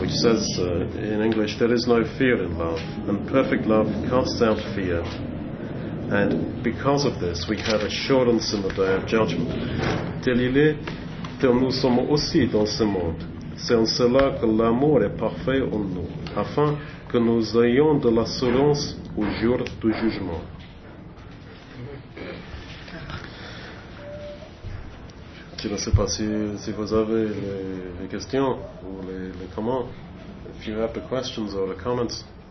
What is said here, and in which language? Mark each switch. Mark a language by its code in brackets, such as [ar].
[en] Which says in English, there is no fear in love, and perfect love casts out fear. And because of this, we have assurance in the day of judgment. [fr] Tel il est, tel nous sommes aussi dans ce monde. C'est en cela que l'amour est parfait en nous, afin que nous ayons de l'assurance au jour du jugement. Je ne sais pas si vous avez les questions ou les comments. [en] If you have the questions or the comments.